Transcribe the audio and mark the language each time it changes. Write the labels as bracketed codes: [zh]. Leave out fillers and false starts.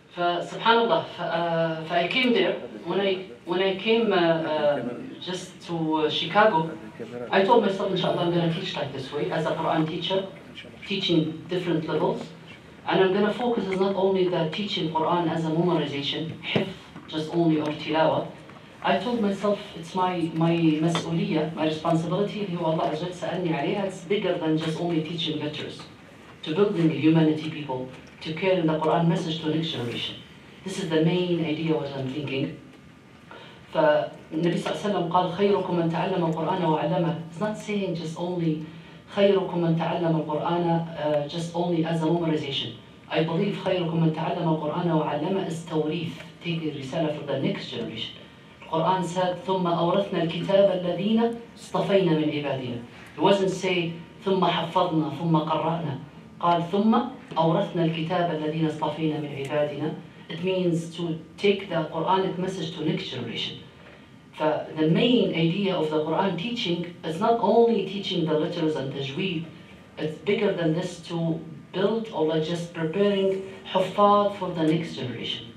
[en] Subhanallah, I came there, when I came to Chicago, I told myself, inshallah, I'm going to teach like this way, as a Quran teacher, teaching different levels, and I'm going to focus on not only the teaching Quran as a memorization, hifz, just only, or tilawa. I told myself, it's my mas'uliyah, my responsibility, it's bigger than just only teaching letters, to building humanity people, to carry the Quran message to the next generation. This is the main idea what I'm thinking. [ar] فالنبي صلى الله عليه وسلم قال خيركم من تعلم القرآن وعلمه. [en] It's not saying just only [ar] خيركم من تعلم القرآن [en] just only as a memorization. I believe [ar] خيركم من تعلم القرآن وعلمه [en] is توريث, taking الرسالة for the next generation. [ar] القرآن [en] said [ar] ثم أورثنا الكتاب الذين اصطفينا من عبادنا. [en] It wasn't say [ar] ثم حفظنا ثم قرأنا. قال ثم أورثنا الكتاب الذين اصطفينا من عبادنا. [en] It means to take the Quranic message to next generation. The main idea of the Quran teaching is not only teaching the letters and tajweed, it's bigger than this to build Allah just preparing Huffaz for the next generation.